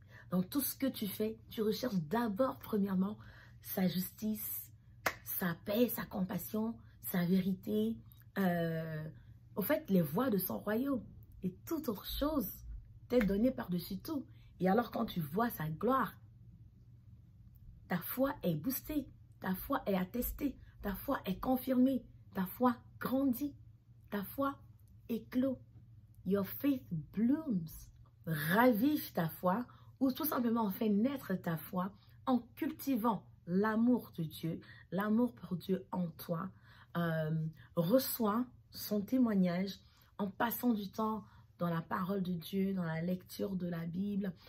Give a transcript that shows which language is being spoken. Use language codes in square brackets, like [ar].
[fr] Dans tout ce que tu fais, tu recherches d'abord, premièrement, sa justice, sa paix, sa compassion, sa vérité, au fait, les voies de son royaume et toute autre chose t'est donnée par-dessus tout. Et alors, quand tu vois sa gloire, ta foi est boostée, ta foi est attestée, ta foi est confirmée, ta foi grandit, ta foi éclot. [en] Your faith blooms. [fr] Ravive ta foi ou tout simplement fais naître ta foi en cultivant l'amour de Dieu, l'amour pour Dieu en toi. Reçois son témoignage en passant du temps dans la parole de Dieu, dans la lecture de la Bible.